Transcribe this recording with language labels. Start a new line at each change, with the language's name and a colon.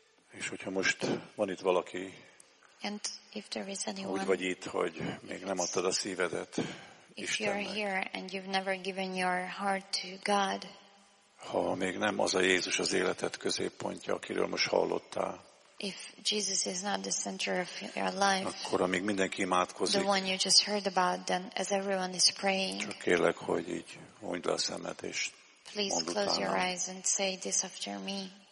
Hungarian: És hogyha most van itt valaki,
English: and if there is anyone,
Hungarian: úgy vagy itt, hogy még nem adtad a szívedet Istennek.
English: If you're here and you've never given your heart to God.
Hungarian: Ha még nem az a Jézus az életed középpontja, akiről most hallottál.
English: If Jesus is not the center of your life.
Hungarian: Akkor amíg mindenki imádkozik.
English: The one you just heard about, then as everyone is praying.
Hungarian: Csak kérlek, hogy így hunyd le a szemed és mondd utána.
English: Please close your eyes and say this after me.